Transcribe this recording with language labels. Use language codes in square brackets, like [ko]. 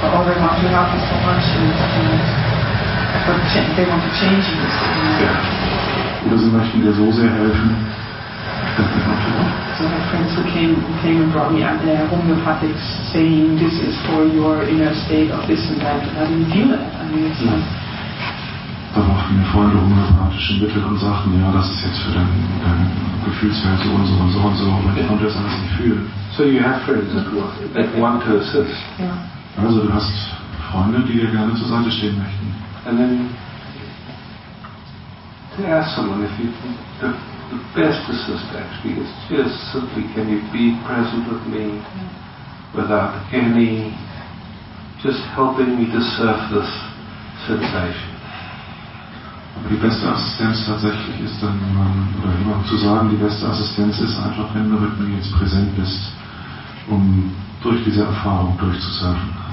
[en] But all they want to have is they want to change you. [de] Yeah. Oder sie möchten dir so sehr helfen. [en] So I have friends who came and brought me out there homeopathic saying this is for your inner state of this and that. And I didn't feel it. I mean, it's like, [de] da brauchten mir Freunde homöopathische Mittel und sagten, ja, das ist jetzt für dein Gefühlswelt so und so und so und so, aber ich konnte das alles nicht fühlen. [en] So you have friends that want to assist. Yeah. [de] Also du hast Freunde, die dir gerne zur Seite stehen möchten. [en] And then to ask someone if you think the best assist actually is just simply can you be present with me without any just helping me to surf this sensation. [de] Aber die beste Assistenz tatsächlich ist dann jemandem zu sagen, die beste Assistenz ist einfach, wenn du mit mir jetzt präsent bist, um durch diese Erfahrung durchzusurfen.